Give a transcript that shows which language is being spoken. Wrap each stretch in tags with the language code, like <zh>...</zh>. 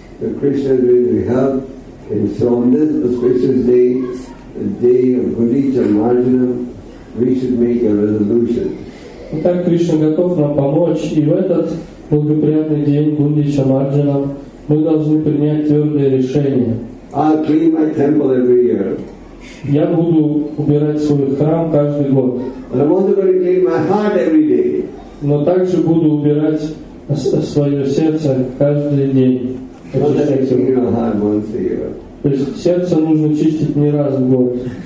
<en>The Christian will help in so on this auspicious day, the day of Gudicha Marjanam, we should make a resolution.</en> <ru>Итак, Кришна готов нам помочь, и в этот благоприятный день Гундича Марджана мы должны принять твердое решение.</ru> <en>I'll clean my temple every year.</en> <ru>Я буду убирать свой храм каждый год.</ru> <en>And I want to clean my heart every day.</en> <ru>Но также буду убирать свое сердце каждый день.</ru> <en>Not that I clean my heart once a year.</en> <ru>То есть сердце нужно чистить не раз в год.</ru>